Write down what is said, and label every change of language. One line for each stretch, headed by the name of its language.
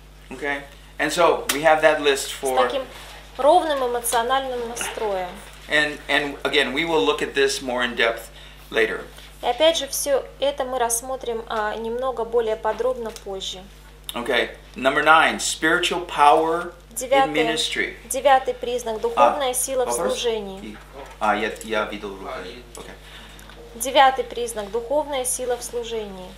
English: Okay, and so we have that list for...
Russian: С таким ровным эмоциональным настроем.
English: And again, we will look at this more in depth later.
Russian: И опять же, все это мы рассмотрим немного более подробно позже.
English: Okay, number 9, spiritual power in ministry.
Russian: Девятый признак, духовная сила в служении. Я видел руку. Okay. Девятый признак, духовная сила в служении.